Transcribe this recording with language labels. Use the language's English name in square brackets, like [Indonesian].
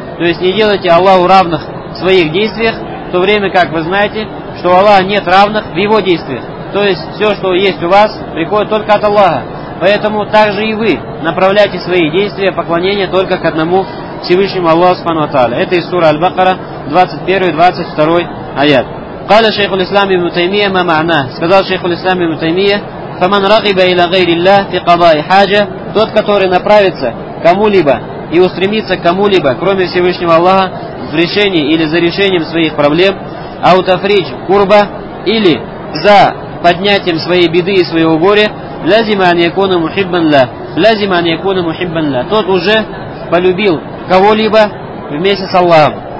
[Russian] То есть не делайте Аллаху равных в своих действиях, в то время как вы знаете, что у Аллаха нет равных в его действиях. То есть все, что есть у вас, приходит только от Аллаха. Поэтому также и вы направляйте свои действия поклонения только к одному Всевышнему Аллаху Субхану ва Тааля. Это из сура Аль-Бакара, 21-22 аят. [Arabic] قال شيخ الإسلام ابن تيمية ما معناه. [Russian] Сказал шейх ал-Ислам ибн Таймия: [Arabic] فمن رغب إلى غير الله في قضاء حاجة. [Russian] Тот, который направится кому-либо и устремится к кому-либо, кроме Всевышнего Аллаха, в решении или за решением своих проблем, [Arabic] аутафридж курба, [Russian] или за поднятием своей беды и своего горя, [Arabic] лазима ан якуна мухиббан ла, [Russian] лазима ан якуна мухиббан ла, тот уже полюбил кого-либо вместе с Аллахом.